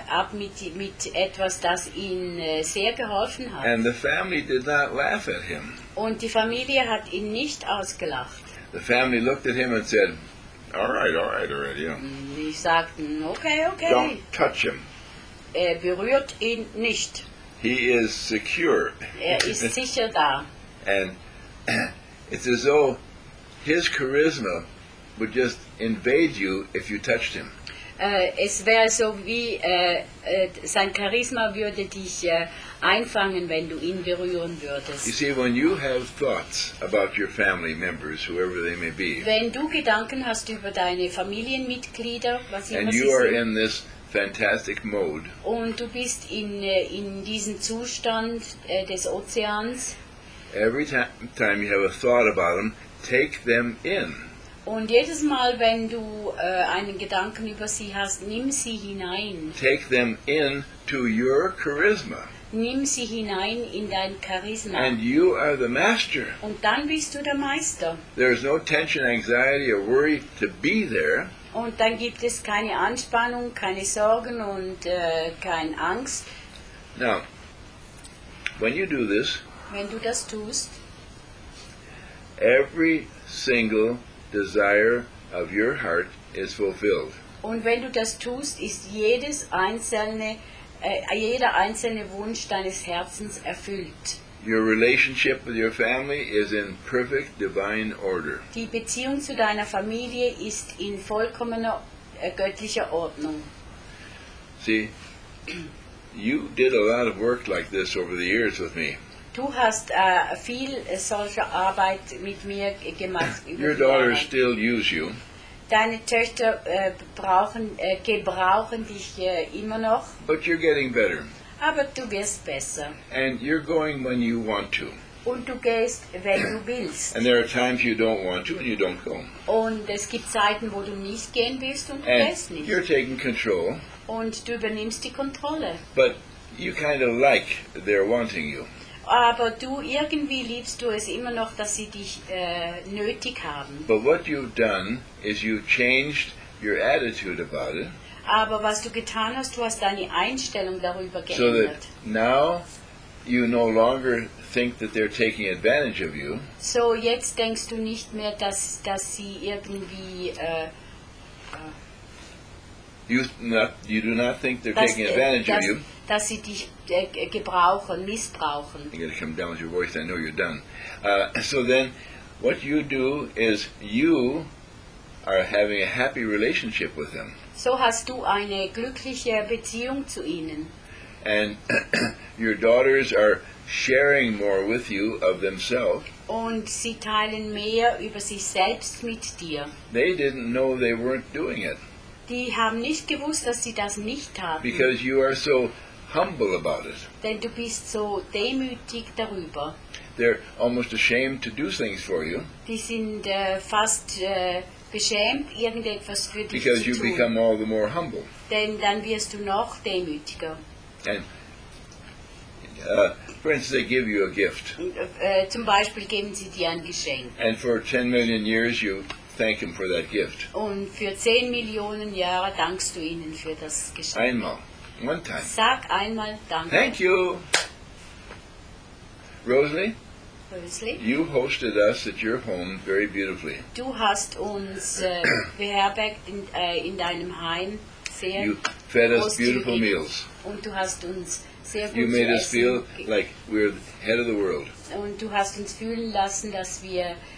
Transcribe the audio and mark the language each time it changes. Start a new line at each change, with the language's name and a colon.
German: Dieser Junge kam ab mit etwas, das ihm sehr geholfen hat.
English: And the family did not laugh at him.
German: Und die Familie hat ihn nicht ausgelacht.
English: The family looked at him and said, all right, already.
German: Die sagten, okay, okay.
English: Don't touch him.
German: Er berührt ihn nicht.
English: He is secure.
German: Er ist sicher da.
English: And it's as though his charisma would just invade you if you touched him.
German: es wäre so wie sein Charisma würde dich einfangen, wenn du ihn berühren würdest.
English: You see, when you have thoughts about your family members, whoever they may be,
German: wenn du Gedanken hast über deine Familienmitglieder, was immer
English: and
German: sie
English: you
German: sind,
English: are in this fantastic mode,
German: und du bist in diesem Zustand des Ozeans,
English: every time you have a thought about them, take them in.
German: Und jedes Mal, wenn du einen Gedanken über sie hast, nimm sie hinein.
English: Take them in to your charisma.
German: Nimm sie hinein in dein Charisma.
English: And you are the master.
German: Und dann bist du der Meister.
English: There is no tension, anxiety or worry to be there.
German: Und dann gibt es keine Anspannung, keine Sorgen und keine Angst.
English: Now, when you do this,
German: wenn du das tust,
English: every single desire of your heart is fulfilled.
German: Und wenn du das tust, ist jeder einzelne Wunsch deines Herzens erfüllt.
English: Your relationship with your family is in perfect divine order.
German: Die Beziehung zu deiner Familie ist in vollkommener göttlicher Ordnung.
English: See, you did a lot of work like this over the years with me.
German: Du hast viel solcher Arbeit mit mir gemacht.
English: Your daughters still use you.
German: Deine Töchter gebrauchen dich immer noch.
English: But you're getting better.
German: Aber du wirst besser.
English: And you're going when you want to.
German: Und du gehst, wenn du willst.
English: And there are times you don't want to and you don't go.
German: Und es gibt Zeiten, wo du nicht gehen willst und du
English: and
German: gehst nicht.
English: You're taking control.
German: Und du übernimmst die Kontrolle.
English: But you kind of like they're wanting you.
German: Aber du, irgendwie liebst du es immer noch, dass sie dich nötig haben.
English: But what you've done is you've changed your attitude about it.
German: Aber was du getan hast, du hast deine Einstellung darüber geändert.
English: So that now you no longer think that they're taking advantage of you.
German: So jetzt denkst du nicht mehr, dass sie irgendwie
English: you do not think they're taking advantage of you.
German: Dass sie dich gebrauchen, missbrauchen.
English: You gotta come down with your voice, I know you're done. So then, what you do is you are having a happy relationship with them.
German: So hast du eine glückliche Beziehung zu ihnen.
English: And your daughters are sharing more with you of themselves.
German: Und sie teilen mehr über sich selbst mit dir.
English: They didn't know they weren't doing it.
German: Die haben nicht gewusst, dass sie das nicht taten.
English: Because you are so humble about it.
German: Denn du bist so demütig darüber.
English: They're almost ashamed to do things for you.
German: Die sind fast beschämt, irgendetwas für dich
English: because
German: zu
English: you
German: tun.
English: Become all the more humble.
German: Denn dann wirst du noch demütiger.
English: And for instance, they give you a gift.
German: Zum Beispiel geben sie dir ein Geschenk.
English: And for 10 million years you thank him for that gift.
German: Und für 10 Millionen Jahre dankst du ihnen für das Geschenk. Einmal.
English: One time.
German: Sag einmal danke.
English: Thank you. Rosalie? Rosalie? You hosted us at your home very beautifully.
German: Du hast uns beherbergt in deinem Heim sehr gut.
English: You fed us beautiful meals.
German: Und du hast uns sehr gut
English: you made
German: essen.
English: Us feel like we're the head of the world.
German: Und du hast uns fühlen lassen, dass wir